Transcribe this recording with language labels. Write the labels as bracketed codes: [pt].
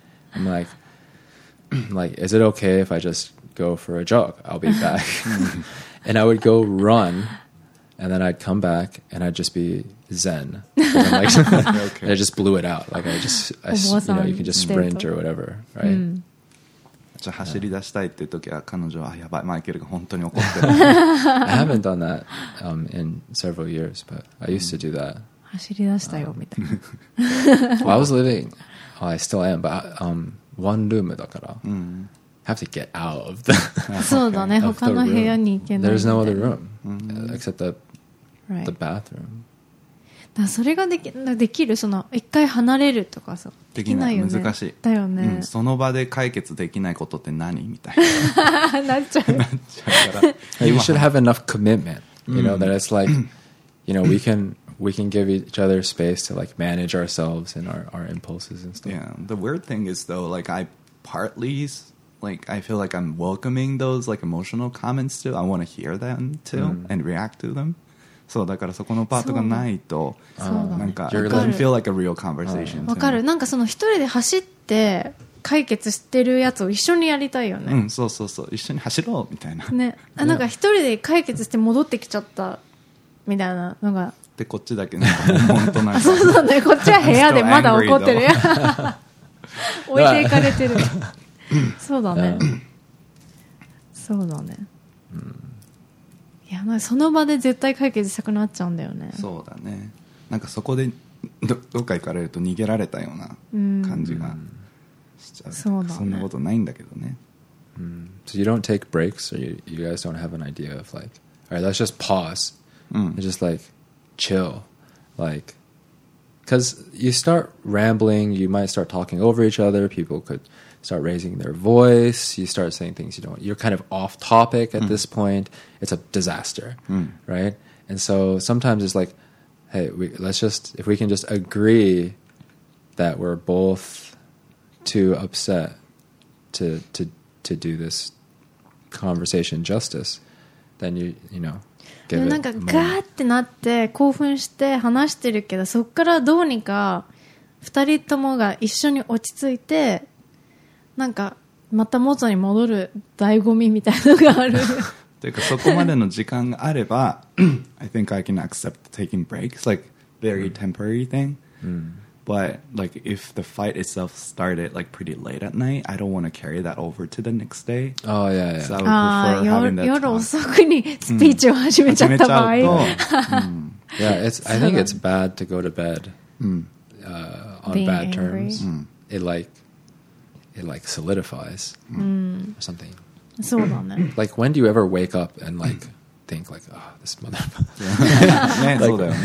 [en] I'm like, is it okay if I just go for a jog? I'll be back. And I would go run, and then I'd come back, and I'd just be zen. Like, okay. And I just blew it out. Like, you can just sprint or whatever, right? [ja] じゃあ走り出したいっていう時は彼女はやばいマイケルが本当に怒ってる。 [en] I haven't done that in several years, but I used to do that. [ja] 走り出したよみたいな。 [en] Well, I was living, well, I still am, but one room [ja] だから、 [en] have to get out of the. [ja] そうだね、他の部屋に行けない。 [en] There's no other room except the bathroom. [ja] だそれができるその一回離れるとかさ。できないよね、難しいだよね、その場で解決できないことって何みたいななっちゃうから [en] You should have enough commitment you know that it's like you know we can give each other space to like manage ourselves and our impulses and stuff yeah the weird thing is though like I partly like I feel like I'm welcoming those like emotional comments too. I want to hear them too and react to them. So [ja] だからそこのパートがないとなんか [en] it doesn't feel like a real conversation. [ja] わかる。なんかその一人で走って解決してるやつを一緒にやりたいよね。うん、そうそうそう。一緒に走ろうみたいな。ね。あ、なんか一人で解決して戻ってきちゃったみたいなのが。でこっちだけなんか本当なんか。そうそうね。こっちは部屋でまだ怒ってる。置いていかれてる。そうだね。そうだね。いや、なんかその場で絶対解決したくなっちゃうんだよね。そうだね。なんかそこでどっか行かれると逃げられたような感じが。そんなことないんだけどね。 [en] So you don't take breaks, or you guys don't have an idea of like, all right, let's just pause. It's just like chill, like, because you start rambling, you might start talking over each other. People could start raising their voice. You start saying things you don't. You're kind of off topic at this point. It's a disaster, right? And so sometimes it's like, hey, let's just agree that we're both too upset to do this conversation justice, then you know, give it [ja] なんかガーってなって興奮して話してるけど、そっからどうにか二人ともが一緒に落ち着いて、なんかまた元に戻る醍醐味みたいなのがある。というかそこまでの時間があれば、 [en] I think I can accept taking breaks, like very temporary thing. But like, if the fight itself started like pretty late at night, I don't want to carry that over to the next day. Oh yeah, yeah. So I would prefer having that. [ja] 夜遅くにスピーチを始めちゃった場合。 [en] Yeah, it's. I think it's bad to go to bed on Being bad angry. Terms. It solidifies or something. [ja] そうだね。 [en] Like, when do you ever wake up and like? Think like, oh, this motherfucker.